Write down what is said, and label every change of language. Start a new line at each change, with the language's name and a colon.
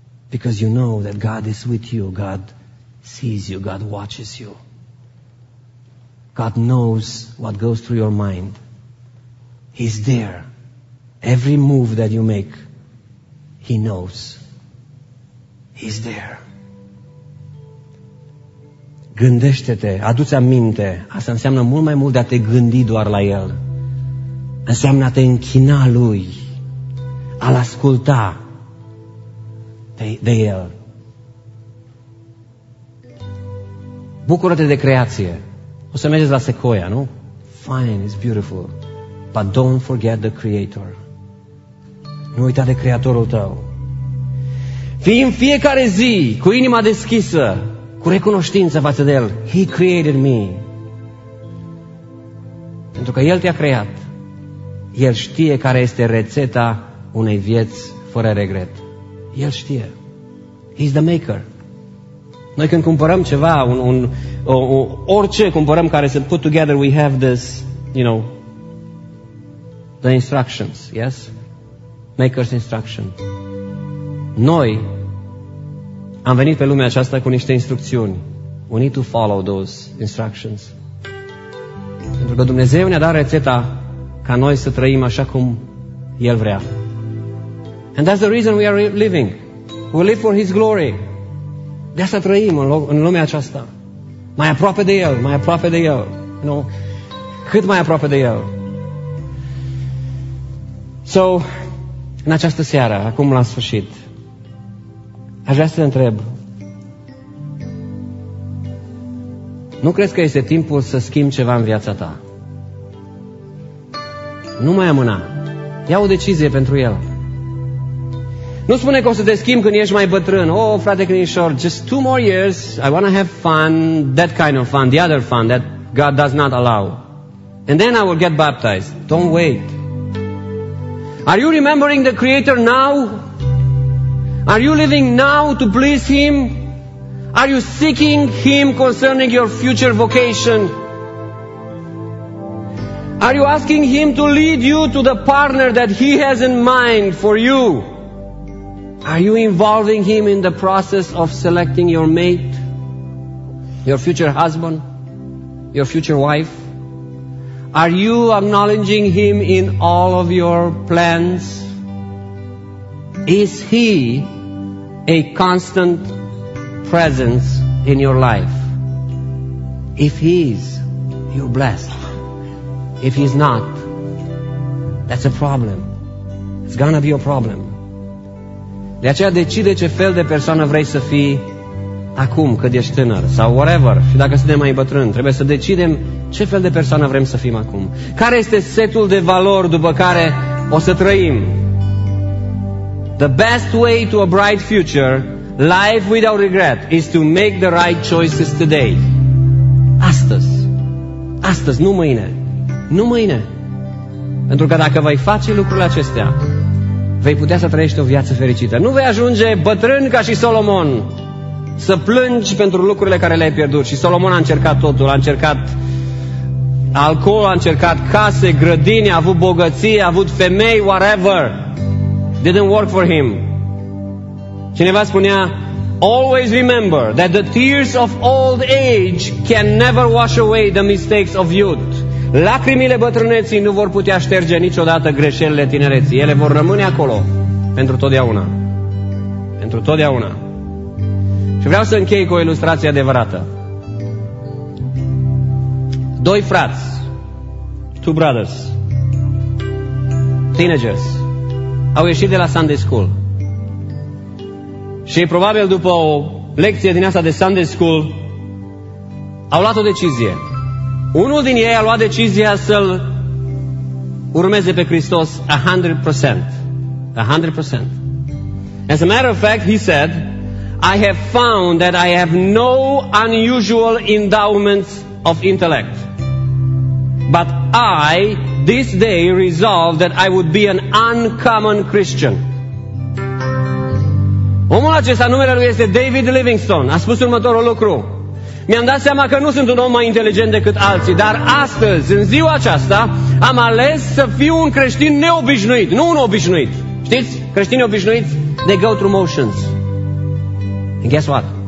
English: Because you know that God is with you, God sees you, God watches you. God knows what goes through your mind. He's there. Every move that you make, He knows. He's there.
Romanian: Gândește-te, adu-ți aminte. Asta înseamnă mult mai mult de a te gândi doar la El. Înseamnă a te închina Lui. A-L asculta de El. Bucură-te de creație. O să mergeți la Sequoia, nu?
English: Fine, it's beautiful. But don't forget the Creator.
Romanian: Nu uita de Creatorul tău. Fii în fiecare zi cu inima deschisă, cu recunoștință față de El.
English: He created me.
Romanian: Pentru că El te-a creat. El știe care este rețeta unei vieți fără regret. El știe.
English: He's the maker.
Romanian: Noi când cumpărăm ceva, orice cumpărăm care se
English: put together, we have this, you know, the instructions, yes? Maker's instruction.
Romanian: Noi am venit pe lumea aceasta cu niște instrucțiuni.
English: We need to follow those instructions.
Romanian: Pentru că Dumnezeu ne-a dat rețeta ca noi să trăim așa cum El vrea.
English: And that's the reason we are living. We live for His glory.
Romanian: De asta trăim în lumea aceasta. Mai aproape de El, mai aproape de El.
English: You know,
Romanian: cât mai aproape de El. So, în această seară, acum la sfârșit, aș vrea să te întreb. Nu crezi că este timpul să schimbi ceva în viața ta? Nu mai amâna. Ia o decizie pentru El. Nu spune că o să te schimbi când ești mai bătrân.
English: Oh, frate Crinișor, just two more years, I want to have fun, that kind of fun, the other fun that God does not allow. And then I will get baptized. Don't wait. Are you remembering the Creator now? Are you living now to please Him? Are you seeking Him concerning your future vocation? Are you asking Him to lead you to the partner that He has in mind for you? Are you involving Him in the process of selecting your mate, your future husband, your future wife? Are you acknowledging Him in all of your plans? Is He a constant presence in your life? If He is, you're blessed. If He's not, that's a problem. It's gonna be a problem.
Romanian: De aceea decide ce fel de persoană vrei să fii acum, când ești tânăr, sau whatever, și dacă suntem mai bătrân, trebuie să decidem ce fel de persoană vrem să fim acum. Care este setul de valori după care o să trăim?
English: The best way to a bright future, life without regret, is to make the right choices today.
Romanian: Astăzi. Astăzi, nu mâine. Nu mâine. Pentru că dacă vei face lucrurile acestea, vei putea să trăiești o viață fericită. Nu vei ajunge bătrân ca și Solomon să plângi pentru lucrurile care le-ai pierdut. Și Solomon a încercat totul. A încercat alcool, a încercat case, grădini, a avut bogății, a avut femei, whatever.
English: Didn't work for him.
Romanian: Cineva spunea,
English: always remember that the tears of old age can never wash away the mistakes of youth.
Romanian: Lacrimile bătrâneții nu vor putea șterge niciodată greșelile tinereții. Ele vor rămâne acolo pentru totdeauna. Pentru totdeauna. Și vreau să închei cu o ilustrație adevărată. Doi frați,
English: two brothers, teenagers,
Romanian: au ieșit de la Sunday School. Și probabil după o lecție din asta de Sunday School, au luat o decizie. Unul din ei a luat decizia să-L urmeze pe Hristos 100%. 100%.
English: As a matter of fact, he said, I have found that I have no unusual endowments of intellect. But I, this day, resolved that I would be an uncommon Christian.
Romanian: Omul acesta, numele lui este David Livingstone, a spus următorul lucru. Mi-am dat seama că nu sunt un om mai inteligent decât alții, dar astăzi, în ziua aceasta, am ales să fiu un creștin neobișnuit, nu un obișnuit. Știți? Creștini obișnuiți,
English: they go through motions. And guess what?